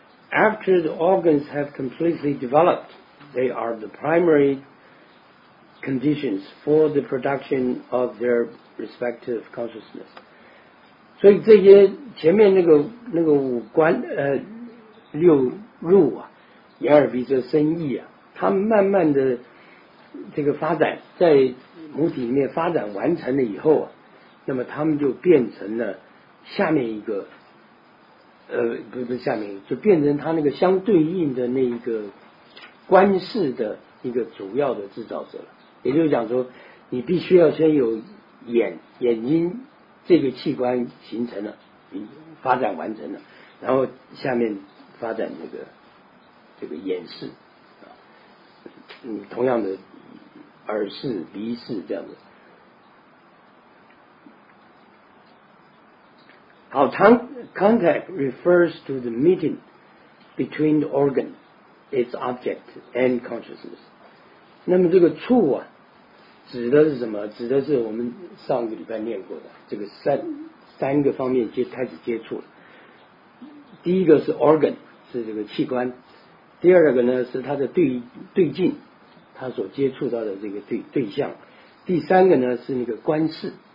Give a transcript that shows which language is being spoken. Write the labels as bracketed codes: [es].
[en] After the organs have completely developed, they are the primary conditions for the production of their respective consciousness. [zh] 所以这些前面那个五官六入啊，眼耳鼻舌身意啊，它慢慢的这个发展在母体里面发展完成了以后啊，那么它们就变成了下面一个不是下面，就变成它那个相对应的那一个观世的一个主要的制造者了。也就是讲说，你必须要先有眼睛这个器官形成了，你发展完成了，然后下面发展这个眼视啊，同样的耳视、鼻视这样子。 [en] 好， contact refers to the meeting between the organ, its object, and consciousness. [zh] 那么这个触啊，指的是什么？指的是我们上个礼拜念过的这个三个方面开始接触了。第一个是 organ， 是这个器官；第二个呢是它的对境，它所接触到的这个对象；第三个呢是那个观世。